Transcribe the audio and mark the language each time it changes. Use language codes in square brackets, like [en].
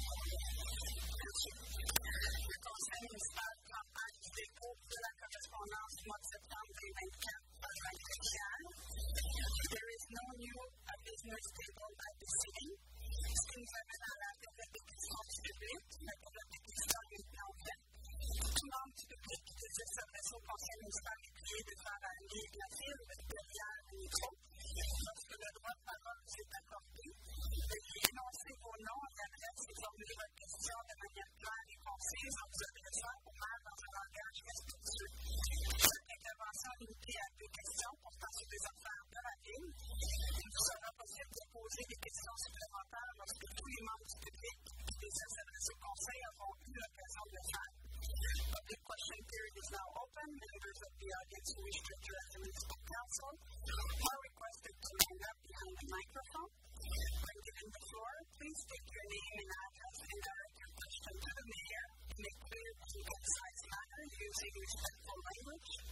[en] There is no new business table at the city. [fr] Ce qui nous amène à la période de discussion publique, la période de discussion est bien ouverte. Tout le monde du public qui désire s'adresser au conseil municipal est prié de faire un lien de la ville derrière le micro. Lorsque le droit de parole vous est accordé, de lui énoncer vos noms et adresses et formuler votre question de manière claire et concise en vous adressant au maire dans un langage respectueux. Cette intervention est limitée à deux questions portant sur des affaires de la ville. Il vous sera possible de poser des questions supplémentaires lorsque tous les membres du public qui désirent s'adresser au conseil auront eu l'occasion de le faire. [en] The question period is now open. Members of the audience who wish to address the municipal council are requested to line up behind the microphone. When given the floor, please state your name and address and direct your question to the mayor in a clear and concise manner using respectful language.